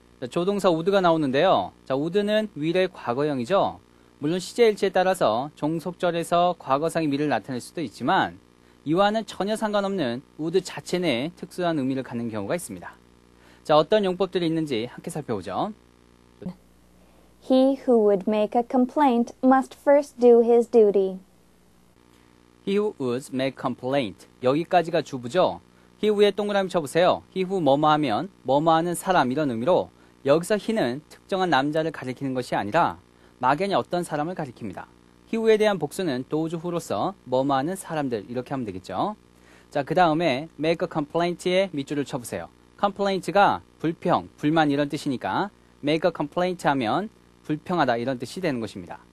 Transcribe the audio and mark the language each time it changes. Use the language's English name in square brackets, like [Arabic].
[Korean] 자, 조동사 would가 나오는데요. 자, would는 will의 과거형이죠. 물론 시제일치에 따라서 종속절에서 과거상의 will을 나타낼 수도 있지만 이와는 전혀 상관없는 would 자체 내에 특수한 의미를 갖는 경우가 있습니다. 자, 어떤 용법들이 있는지 함께 살펴보죠. [English] He who would make a complaint must first do his duty. He who would make a complaint. [Korean] 여기까지가 주부죠. He who에 동그라미 쳐보세요. He who 뭐뭐하면 뭐뭐하는 사람 이런 의미로 여기서 he는 특정한 남자를 가리키는 것이 아니라 막연히 어떤 사람을 가리킵니다. He who에 대한 복수는 does who로서 뭐뭐하는 사람들 이렇게 하면 되겠죠. 자, 그 다음에 [English] make a complaint [Korean] 에 밑줄을 쳐보세요. complaint가 불평, 불만 이런 뜻이니까 make a complaint 하면 불평하다 이런 뜻이 되는 것입니다.